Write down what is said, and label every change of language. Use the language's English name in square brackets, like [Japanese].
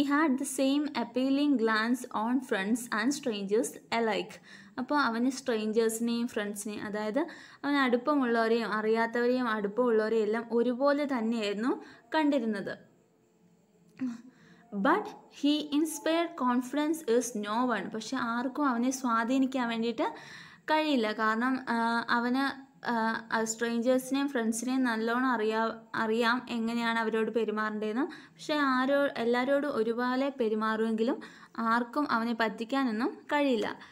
[English] He had the same appealing glance on friends and strangers alike. [Malayalam] അപ്പോൾ അവന് സ്ട്രേഞ്ചേഴ്സിനെയും ഫ്രണ്ട്സിനെയും, അതായത് അവന് അടുപ്പമുള്ളവരെയും അറിയാത്തവരെയും അടുപ്പമുള്ളവരെയും എല്ലാം ഒരുപോലെ തന്നെയായിരുന്നു കണ്ടിരുന്നത്. [English] But he inspired confidence is no one. [Malayalam] പക്ഷെ ആർക്കും അവനെ സ്വാധീനിക്കാൻ വേണ്ടിയിട്ട് കഴിയില്ല. കാരണം അവന് സ്ട്രേഞ്ചേഴ്സിനെയും ഫ്രണ്ട്സിനെയും നല്ലോണം അറിയാം എങ്ങനെയാണ് അവരോട് പെരുമാറേണ്ടതെന്ന്. പക്ഷേ ആരോ എല്ലാവരോടും ഒരുപോലെ പെരുമാറുമെങ്കിലും ആർക്കും അവനെ പറ്റിക്കാനൊന്നും കഴിയില്ല.